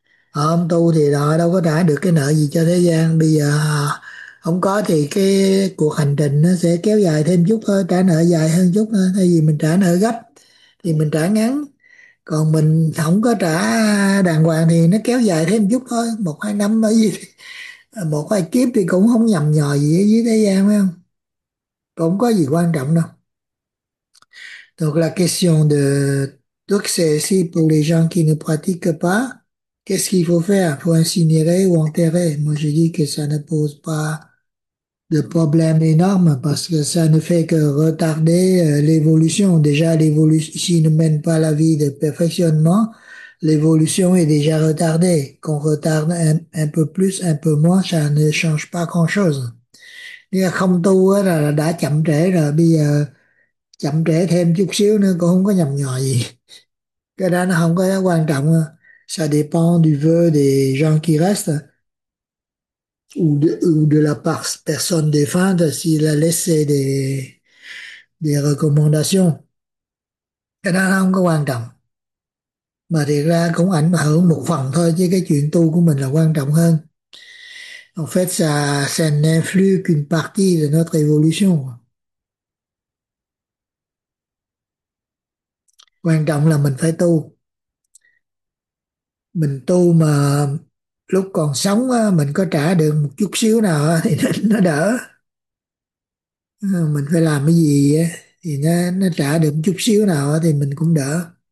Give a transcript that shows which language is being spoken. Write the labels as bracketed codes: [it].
[vi] Họ không tu thì họ đâu có trả được cái nợ gì cho thế gian. Bây giờ họ không có thì cái cuộc hành trình nó sẽ kéo dài thêm chút thôi, trả nợ dài hơn chút thôi. Thay vì mình trả nợ gấp thì mình trả ngắn, còn mình không có trả đàng hoàng thì nó kéo dài thêm chút thôi, 1 2 năm ở gì, 1 2 kiếp thì cũng không nhằm nhò gì ở dưới thế gian, phải không? Cũng có gì quan trọng đâu. [fr] Donc la question de tout c'est si pour les gens qui ne pratiquent pas, qu'est-ce qu'il faut faire pour incinérer ou enterrer? Moi, je dis que ça ne pose pas de problème énorme parce que ça ne fait que retarder l'évolution. Déjà, l'évolution, s'il ne mène pas la vie de perfectionnement, l'évolution est déjà retardée. Qu'on retarde un peu plus, un peu moins, ça ne change pas grand-chose. [vi] Nhưng không tu là đã chậm trễ rồi, bây giờ chậm trễ thêm chút xíu nữa cũng không có nhầm nhò gì. Cái đó nó không có quan trọng nữa. [fr] Ça dépend du vœu des gens qui restent ou de la personne défunte s'il a laissé des recommandations. [vi] Cái đó nó không có quan trọng. Mà thiệt ra cũng ảnh hưởng một phần thôi, chứ cái chuyện tu của mình là quan trọng hơn. [fr] En fait, ça n'influe qu'une partie de notre évolution. [vi] Quan trọng là mình phải tu. Mình tu mà lúc còn sống á, mình có trả được một chút xíu nào á, thì nó đỡ. Mình phải làm cái gì á, thì nó trả được một chút xíu nào á, thì mình cũng đỡ.